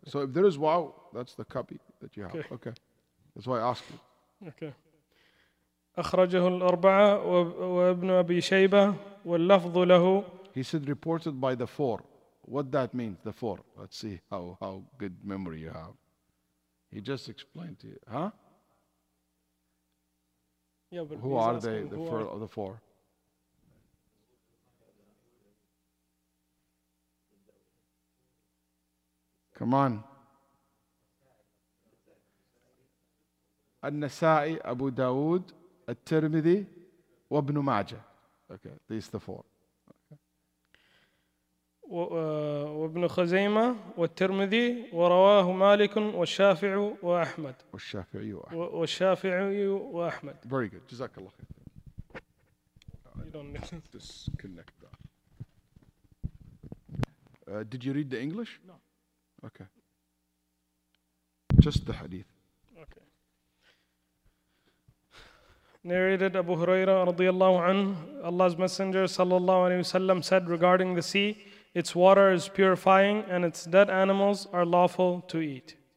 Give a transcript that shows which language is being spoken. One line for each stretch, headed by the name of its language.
English: So if there is wow, that's the copy that you have. Okay. That's why I asked you. Okay.
Arabic: أخرجه الأربعة وابن أبي شيبة واللفظ له.
English: He said reported by the four. What that means? The four. Let's see how good memory you have. He just explained to you, huh? Yeah, but who are they, the four of the four? Come on. An-Nasa'i, Abu Dawood, At-Tirmidhi, wa Ibn Majah. Okay, these are the four.
Arabic: وابن خزيمة والترمذي ورواه مالك والشافعي وأحمد والشافعي وأحمد والشافعي وأحمد
English: very good
Arabic: جزاك الله خير
English: you don't need to disconnect that did you read the English no okay just the hadith okay narrated Abu Huraira
Arabic: رضي الله عنه
English: Allah's Messenger
Arabic: صلى الله عليه وسلم
English: said regarding the sea Its water is purifying and its dead animals are lawful to eat.